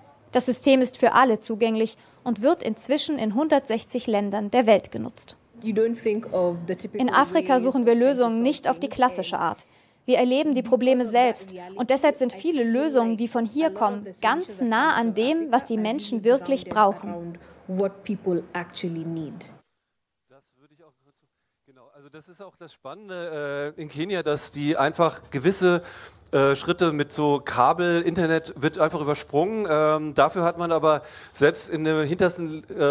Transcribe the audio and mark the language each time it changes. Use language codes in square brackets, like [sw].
[de] Das System ist für alle zugänglich und wird inzwischen in 160 Ländern der Welt genutzt. In Afrika suchen wir Lösungen nicht auf die klassische Art. Wir erleben die Probleme selbst und deshalb sind viele Lösungen, die von hier kommen, ganz nah an dem, was die Menschen wirklich brauchen. [en] What people actually need. [de] Das würde ich auch kurz. Genau, also das ist auch das Spannende in Kenia, dass die einfach gewisse Schritte mit so Kabel, Internet wird einfach übersprungen. Dafür hat man aber selbst in der hintersten